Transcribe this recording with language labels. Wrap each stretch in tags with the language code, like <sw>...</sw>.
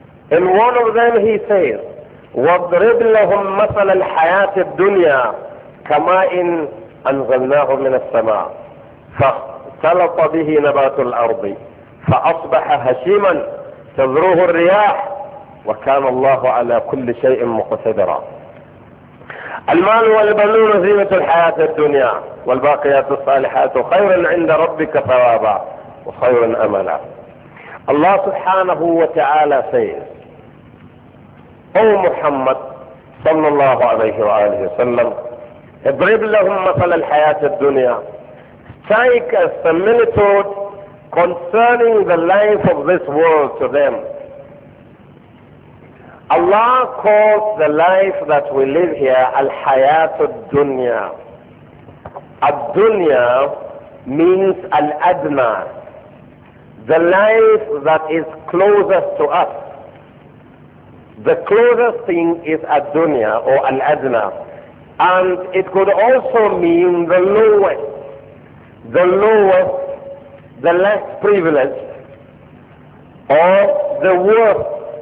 <en>In one of them he says,</en> <ar>وَاضْرِبْ لَهُمْ مَثَلَ الْحَيَاةِ الدُّنْيَا كَمَاءٍ أَنْزَلْنَاهُ مِنَ السَّمَاءِ فَاخْتَلَطَ بِهِ نَبَاتُ الْأَرْضِ فَأَصْبَحَ هَشِيمًا تَذْرُوهُ الرِّيَاحُ وَكَانَ اللَّهُ عَلَى كُلِّ شَيْءٍ مُقْتَدِرًا. المال والبنون زينة الحياة الدنيا والباقيات الصالحات خير عند ربك ثوابا وخير أملا.</ar> <en>Allah subhanahu wa ta'ala says, O Muhammad sallallahu alayhi wa alayhi wa sallam,</en> <ar>اضرب لهم مثل الحياة الدنيا.</ar> <en>Strike a similitude concerning the life of this world to them. Allah calls the life that we live here</en> <ar>الحياة الدنيا. الدنيا</ar> <en>means</en> <ar>الأدنى.</ar> <en>The life that is closest to us. The closest thing is ad-dunya or al-adna. And it could also mean the lowest. The lowest, the less privileged, or the worst.</en>